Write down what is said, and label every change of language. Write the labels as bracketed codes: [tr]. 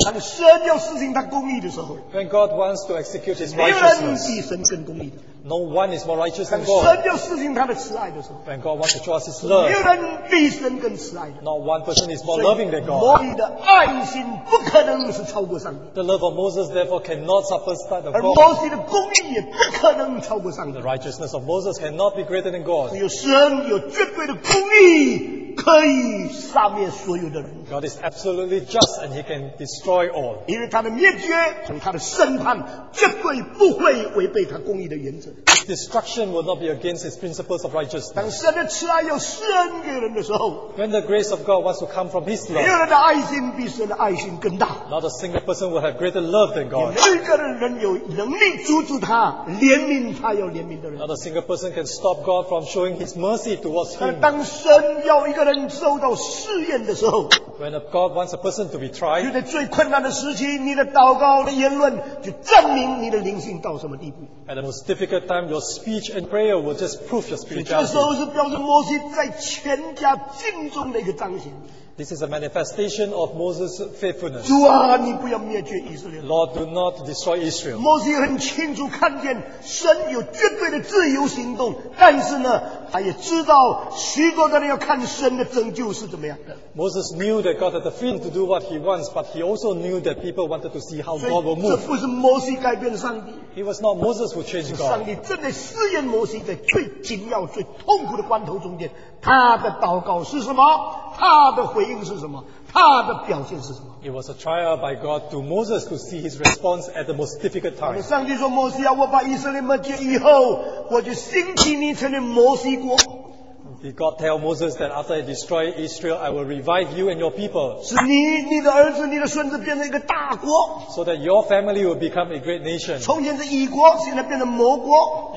[zh] 当神要施行他公义的时候， [en] when God wants to execute His righteousness, [zh] 没人比神更公义的。 [en] No one is more righteous than God. [zh] 神要施行他的慈爱的时候， [en] when God wants to show us His love, [zh] 没人比神更慈爱的。 [en] Not one person is more loving than God. [zh] 所以，摩西的爱心不可能是超过上帝。 [en] The love of Moses therefore cannot surpass that of God. [zh] 而摩西的公义也不可能超过上帝。 [en] The righteousness of Moses cannot be greater than God. [zh] 只有神有绝对的公义，可以杀灭所有的人。 [en] God is absolutely just, and He can destroy all. [zh] 因为他的灭绝和他的审判绝对不会违背他公义的原则。 [en] His destruction will not be against His principles of righteousness. When the grace of God wants to come from His love, not a single person will have greater love than God. Not a single person can stop God from showing His mercy towards Him. When God wants a person to be tried, at the most difficult time, your speech and prayer will just prove your spirituality. This is a manifestation of Moses' faithfulness. [zh] 主啊，你不要灭绝以色列。 [en] Lord, do not destroy Israel. [zh] 摩西很清楚看见神有绝对的自由行动，但是呢，他也知道许多的人要看神的拯救是怎么样的。 [en] Moses knew that God had the freedom to do what he wants, but he also knew that people wanted to see how God will move. [zh] 这不是摩西改变上帝。 [en] It was not Moses who changed God. [zh] 上帝正在试验摩西，在最紧要、最痛苦的关头中间，他的祷告是什么？他的回应是什么？他的表现是什么？ [en] It was a trial by God to Moses to see his response at the most difficult time. [zh] 上帝说，摩西啊，我把以色列灭绝以后，我就兴起你成为摩西国。 [en] Did God tell Moses that after I destroy Israel, I will revive you and your people? [zh] 是你，你的儿子，你的孙子变成一个大国。 [en] So that your family will become a great nation. [zh] 从前是以国，现在变成摩国。